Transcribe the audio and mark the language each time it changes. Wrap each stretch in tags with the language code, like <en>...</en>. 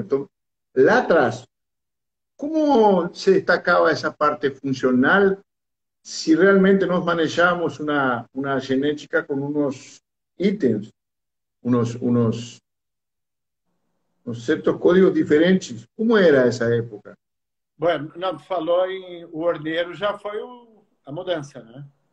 <pt>Então, lá atrás, como se destacava essa parte funcional?</pt> <es>Si realmente nos manejamos una genética con unos ítems, unos ciertos códigos diferentes, ¿cómo era esa época?</es> <pt>Bueno, não, falou em o ordeiro, já foi a mudança, né?</pt>